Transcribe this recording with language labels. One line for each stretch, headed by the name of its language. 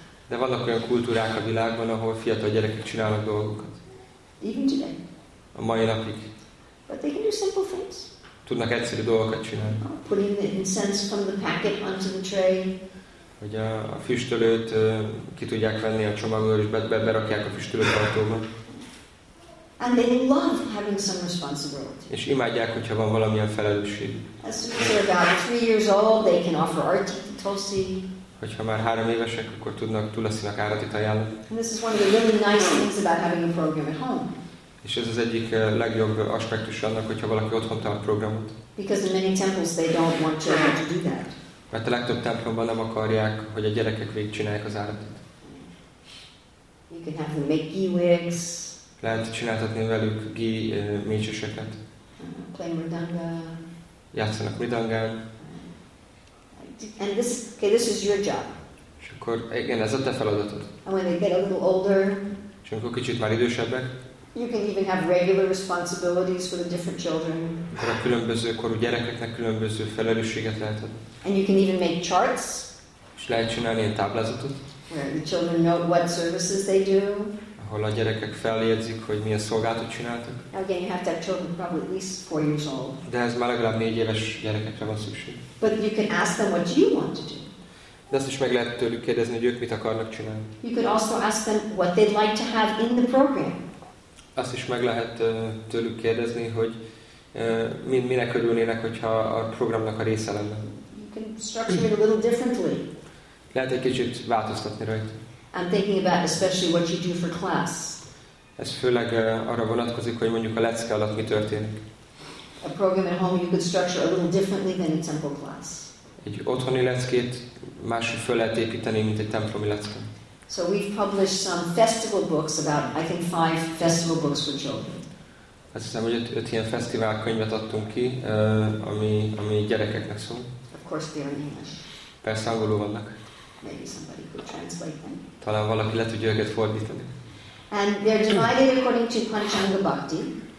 Hungarian: De vannak olyan kultúrák a világban, ahol fiatal gyerekek csinálnak dolgokat.
English: Even today.
Hungarian: A mai napig.
English: But they can do simple things.
Hungarian: Tudnak egyszerű dolgokat csinálni.
English: Putting the incense from the packet onto the tray.
Hungarian: Hogy a füstölőt ki tudják venni a csomagból, és berakják a füstölőtartóba.
English: And they love having some responsibility.
Hungarian: És imádják, hogyha van valamilyen felelősség.
English: As soon as they're about 3 years old, they can offer arati tulsi.
Hungarian: Hogyha már 3 évesek, akkor tudnak tulasinak áratit ajánlani.
English: And this is one of the really nice things about having a program at home.
Hungarian: És ez az egyik legjobb aspektus annak, hogyha valaki otthon tart programot.
English: Because in many temples they don't want children to do that.
Hungarian: Mert a legtöbb templomban nem akarják, hogy a gyerekek végigcsinálják az áratot.
English: You can have them make ghee wigs.
Hungarian: Lehet csináltatni velük ghee mécseseket.
English: Play mridanga.
Hungarian: Játszanak mridangán.
English: And this, okay, this is your job.
Hungarian: És akkor, igen, ez a te feladatod.
English: And when they get a little older.
Hungarian: És amikor kicsit már idősebbek.
English: You can even have regular responsibilities for the different children.
Hungarian: A különböző korú gyerekeknek különböző felelősséget lehet adni.
English: And you can even make charts.
Hungarian: És lehet csinálni ilyen táblázatot.
English: Where the children know what services they do.
Hungarian: Ahol a gyerekek feljegyzik, hogy milyen szolgálatot csináltak.
English: Again, you have to have children probably at least 4 years old.
Hungarian: De ez már legalább 4 éves gyerekekre van szükség.
English: But you can ask them what you want to do.
Hungarian: De azt is meg lehet tőlük kérdezni, hogy ők mit akarnak csinálni.
English: You could also ask them what they'd like to have in the program.
Hungarian: Azt is meg lehet tőlük kérdezni, hogy minek örülnének, hogyha a programnak a része lenne.
English: You can structure it a little differently.
Hungarian: Lehet egy kicsit változtatni rajta.
English: I'm thinking about especially what you do for class.
Hungarian: Ez főleg arra vonatkozik, hogy mondjuk a lecke alatt mi történik.
English: A program at home you could structure a little differently than a temple class.
Hungarian: Egy otthoni leckét máshogy föl lehet építeni, mint egy templomi lecke.
English: So we've published some festival books about, I think, 5 festival books for children.
Hungarian: Azt hiszem, hogy 5 ilyen fesztivál könyvet adtunk ki, ami gyerekeknek szól.
English: Of course they are in English.
Hungarian: Persze angolul vannak.
English: Maybe somebody could translate them.
Hungarian: Talán valaki le tudja őket fordítani.
English: And they're divided according to Panchanga Bhakti.